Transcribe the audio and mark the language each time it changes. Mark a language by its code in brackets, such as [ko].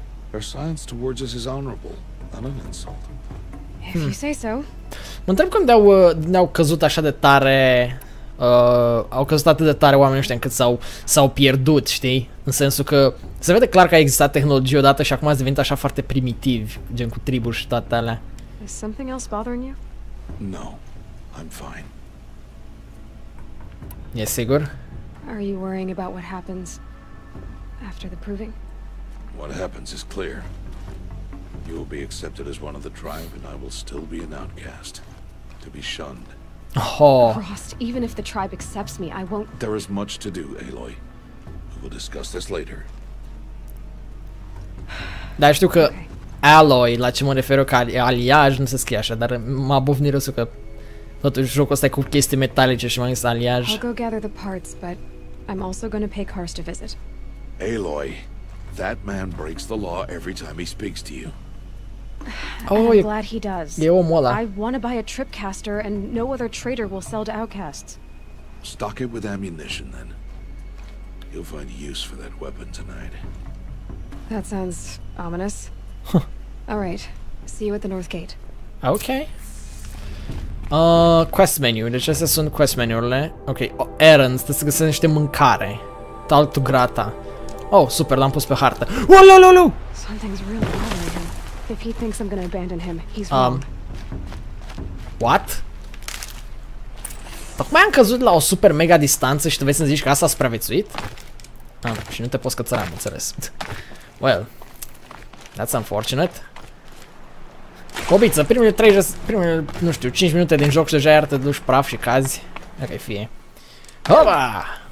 [en] Her silence towards us is honorable, not an insult. If you say so. [ro] Mă întreb cum ne-au căzut așa de tare, au căzut atât de tare oamenii ăștia încât s-au pierdut, știi? În sensul că se vede clar că a existat tehnologie odată și acum a devenit așa foarte primitiv, gen cu triburi și toate alea. [en] Is something else bothering you? No, I'm fine. [ro] E sigur? [en] Are you worrying about what happens after the proving? What happens is clear. You will be accepted as one of the tribe and I will still be an outcast to be shunned. Oh. Frost, even if the tribe accepts me, I won't. There is much to do, Aloy. We will discuss this later. [ro] Dar știu că Aloy, la ce mă refer eu, că aliaj nu se scrie așa, dar m-a bufnit răsul că totuși jocul ăsta e cu chestii metalice și m-am zis aliaj. [en] I'll go gather the parts, but I'm also going to pay Karst a visit. Aloy, that man breaks the law every time he speaks to you. Oh, I'm glad he does. [ro] E omul ăla. [en] I want to buy a tripcaster and no other trader will sell to outcasts. Stock it with ammunition then. You'll find use for that weapon tonight. That sounds ominous. All right. See you at the north gate. Okay. Quest menu. [ro] Deci astea sunt quest menu-urile. [en] Okay. Oh, errands. [ro] Trebuie să găsesc niște mâncare. [en] Talk to Grata. [ro] Oh, super. L-am pus pe hartă. Ololololo! [en] Something's really bothering him. If he thinks I'm gonna abandon him, he's wrong. What? [ro] Tocmai am căzut la o super mega distanță și tu vei să-mi zici că asta a supraviețuit? Ah, și nu te poți cățăra, am înțeles. [en] Well. That's unfortunate. [ro] Cobiță, primele 5 minute din joc și deja iar te duci praf și cazi. Ok, fie. Hova!